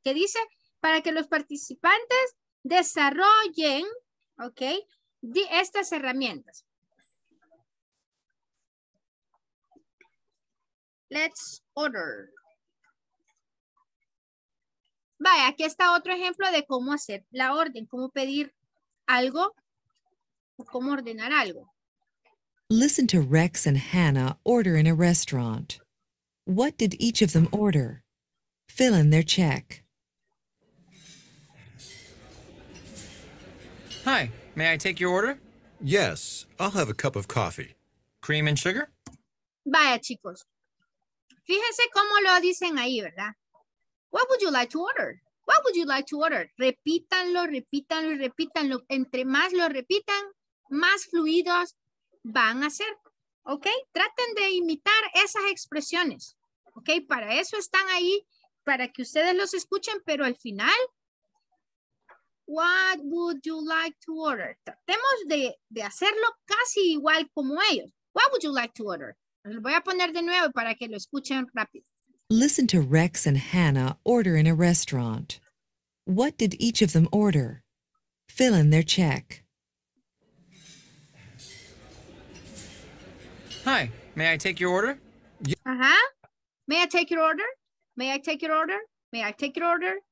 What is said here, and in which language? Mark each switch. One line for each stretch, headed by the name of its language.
Spanish: Que dice para que los participantes desarrollen, ¿ok? Estas herramientas.
English: Let's order.
Spanish: Vaya, aquí está otro ejemplo de cómo hacer la orden. Cómo pedir algo. O cómo ordenar algo.
English: Listen to Rex and Hannah order in a restaurant. What did each of them order? Fill in their check. Hi, may I take your order? Yes, I'll have a cup of coffee. Cream and sugar?
Spanish: Vaya, chicos. Fíjense cómo lo dicen ahí, ¿verdad?
English: What would you like to order? What would you like to order?
Spanish: Repítanlo, repítanlo, repítanlo. Entre más lo repitan, más fluidos van a ser. ¿Ok? Traten de imitar esas expresiones. Ok, para eso están ahí, para que ustedes los escuchen, pero al final,
English: what would you like to order?
Spanish: Tratemos de hacerlo casi igual como ellos.
English: What would you like to order?
Spanish: Lo voy a poner de nuevo para que lo escuchen rápido.
English: Listen to Rex and Hannah order in a restaurant. What did each of them order? Fill in their check. Hi, may I take your order? Uh-huh. May I take your order? May I take your order? May I take your order?